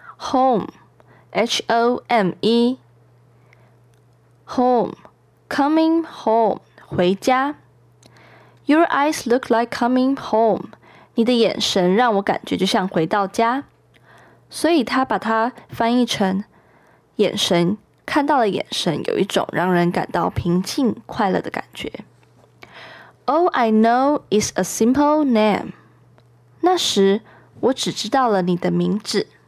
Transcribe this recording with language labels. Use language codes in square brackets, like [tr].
[en] Home, H-O-M-E. Home, coming home, 回家。 Your eyes look like coming home. [zh] 你的眼神让我感觉就像回到家，所以他把它翻译成眼神，看到了眼神有一种让人感到平静快乐的感觉。 [en] All I know is a simple name. [zh] 那时我只知道了你的名字。